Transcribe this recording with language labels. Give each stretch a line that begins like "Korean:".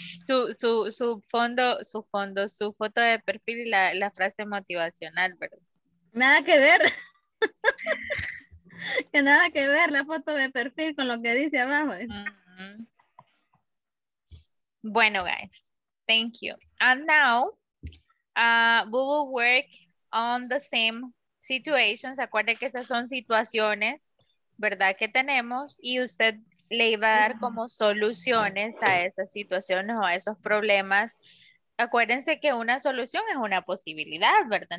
Spanish: Su foto de perfil y la frase motivacional, ¿verdad? Nada que ver. Que nada que ver la foto de perfil con lo que dice abajo. Bueno,
English: guys. Thank you. And now, we will work on the same situations.
Spanish: Acuérdense que esas son situaciones, ¿verdad? Que tenemos y usted le iba a dar como soluciones a esas situaciones o a esos problemas. Acuérdense que una solución es una posibilidad, ¿verdad?